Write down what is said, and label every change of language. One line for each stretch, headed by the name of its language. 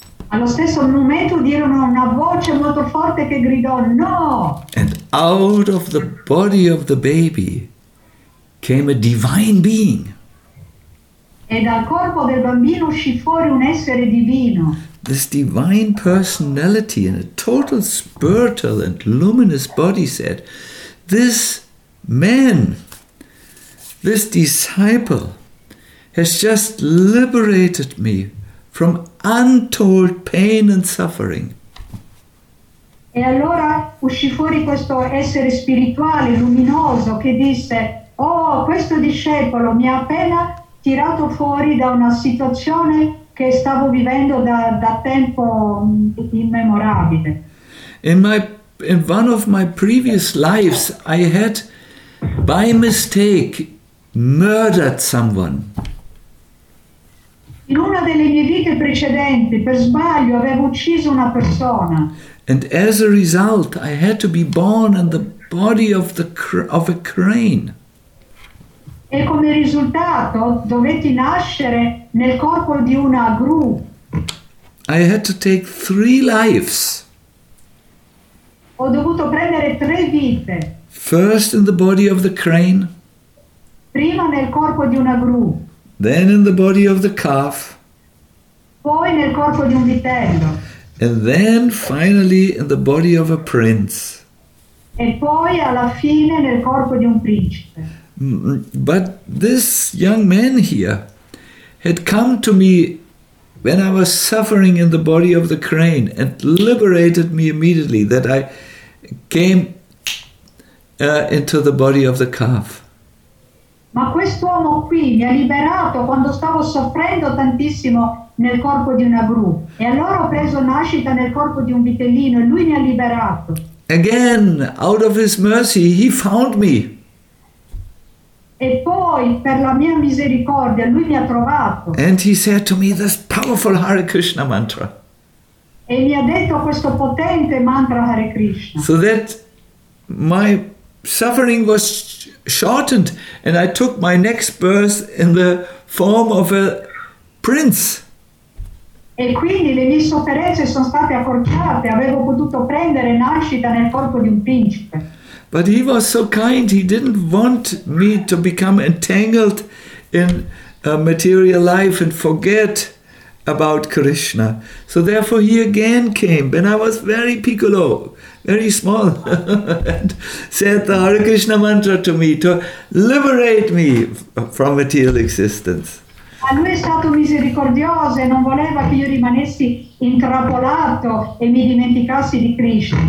Italian: Allo stesso momento udirono una voce molto forte che gridò no.
English: And out of the body of the baby came a divine being.
Italian: E dal corpo del bambino uscì fuori un essere divino.
English: This divine personality in a total spiritual and luminous body said, this man, this disciple has just liberated me from untold pain and suffering.
Italian: E allora uscì fuori questo essere spirituale, luminoso, che disse, oh, questo discepolo mi ha appena tirato fuori da una situazione che stavo vivendo da tempo immemorabile.
English: In one of my previous lives, I had, by mistake, murdered someone.
Italian: In una delle mie vite precedenti, per sbaglio, avevo ucciso una persona.
English: And as a result, I had to be born in the body of a crane.
Italian: E come risultato, dovetti nascere nel corpo di una gru.
English: I had to take three lives.
Italian: Ho dovuto prendere tre vite.
English: First in the body of the crane.
Italian: Prima nel corpo di una gru.
English: Then in the body of the calf.
Italian: Poi nel corpo di un vitello.
English: And then finally in the body of a prince.
Italian: E poi alla fine nel corpo di un principe.
English: But this young man here had come to me when I was suffering in the body of the crane and liberated me immediately that I came into the body of the calf.
Italian: Ma quest'uomo qui mi ha liberato quando stavo soffrendo tantissimo nel corpo di una gru. E allora ho preso nascita nel corpo di un vitellino e lui mi ha liberato.
English: Again, out of his mercy, he found me.
Italian: E poi, per la mia misericordia, lui mi ha trovato.
English: And he said to me this powerful Hare Krishna mantra.
Italian: E mi ha detto questo potente mantra Hare Krishna.
English: So that my suffering was shortened and I took my next birth in the form of a prince.
Italian: E quindi le mie sofferenze sono state accorciate, avevo potuto prendere nascita nel corpo di un principe.
English: But he was so kind, he didn't want me to become entangled in a material life and forget about Krishna. So therefore he again came when I was very
Italian: piccolo,
English: very small, and said the Hare Krishna mantra to me to liberate me from material existence.
Italian: A lui è stato misericordioso e non voleva che io rimanessi intrappolato e mi dimenticassi di Krishna.